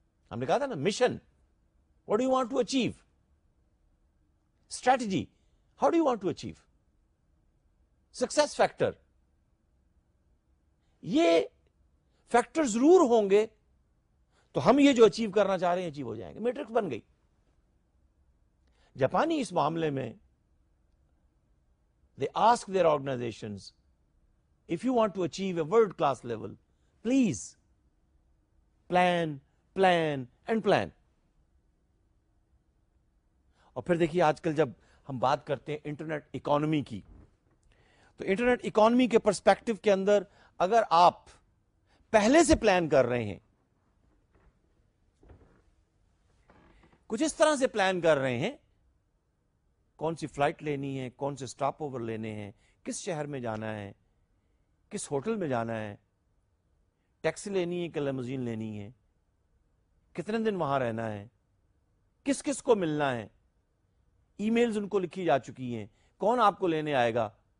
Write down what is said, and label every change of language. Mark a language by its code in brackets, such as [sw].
[ur] ہم نے کہا تھا نا [en] Mission, what do you want to achieve, strategy, how do you want to achieve, success factor. [ur] یہ فیکٹر ضرور ہوں گے تو ہم یہ جو اچیو کرنا چاہ رہے ہیں اچیو ہو جائیں گے, میٹرکس بن گئی. جاپانی اس معاملے میں [en] They ask their organizations, if you want to achieve a world class level, please plan plan and plan. [ur] اور پھر دیکھیے آج کل جب ہم بات کرتے ہیں انٹرنیٹ اکانومی کی, تو انٹرنیٹ اکانومی کے پرسپیکٹو کے اندر اگر آپ پہلے سے پلان کر رہے ہیں, کچھ اس طرح سے پلان کر رہے ہیں, کون سی فلائٹ لینی ہے, کون سے سٹاپ اوور لینے ہیں, کس شہر میں جانا ہے, کس ہوٹل میں جانا ہے, ٹیکسی لینی ہے کہ لیموزین لینی ہے, کتنے دن وہاں رہنا ہے, کس کس کو ملنا ہے, ای میلز ان کو لکھی جا چکی ہیں, کون آپ کو لینے آئے گا.